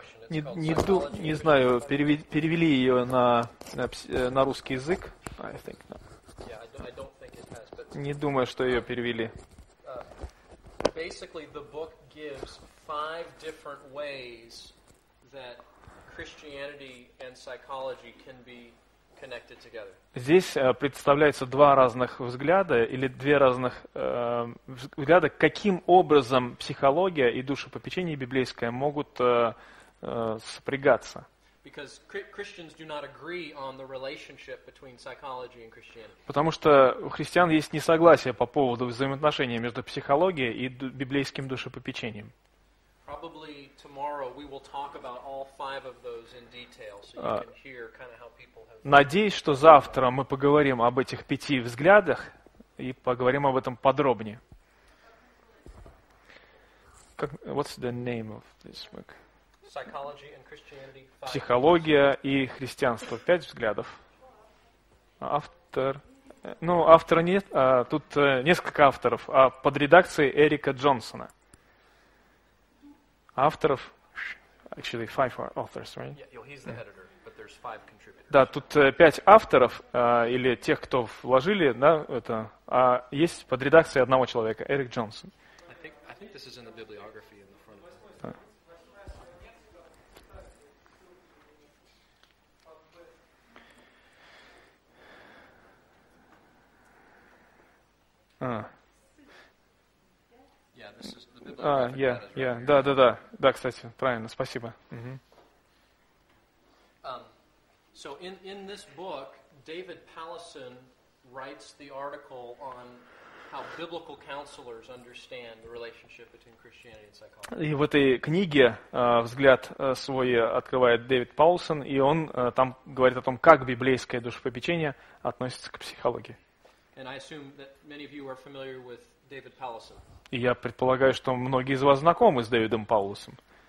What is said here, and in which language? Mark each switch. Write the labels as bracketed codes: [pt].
[ru] Не знаю, перевели ее на русский язык. [en] I think, no. [ru] Не думаю, что ее перевели. [en] Basically, the book gives five different ways that Christianity and psychology can be connected together. [ru] Здесь представляется два разных взгляда или две разных взгляда, каким образом психология и душепопечение библейское могут сопрягаться. [en] Because Christians do not agree on the relationship between psychology and Christianity. [ru] Потому что у христиан есть несогласие по поводу взаимоотношения между психологией и библейским душепопечением. [en] Probably tomorrow we will talk about all five of those in detail, so you can hear kind of how people have. [ru] Надеюсь, что завтра мы поговорим об этих пяти взглядах и поговорим об этом подробнее. [en] What's the name of this book? Psychology and Christianity. [ru] Психология и христианство. Пять взглядов. Автор. Ну, автора нет. Тут несколько авторов. А под редакцией Эрика Джонсона. Авторов. [en] Actually, five authors, right? Yeah, he's the editor, but there's five contributors. [ru] Да, тут пять авторов, или тех, кто вложили, да, это. А есть под редакцией одного человека, Эрик Джонсон. [en] I think this is in the bibliography in the front of the book. [ru] Да, кстати, правильно, спасибо. [en] So in this book, David Pallison writes the article on how biblical counselors understand the relationship between Christianity and psychology. [ru] И в этой книге взгляд свой открывает Дэвид Паулсон, и он там говорит о том, как библейское душепопечение относится к психологии. [en] And I assume that many of you are familiar with David Pallison. [ru] И я предполагаю, что многие из вас знакомы с Дэвидом Паулусом.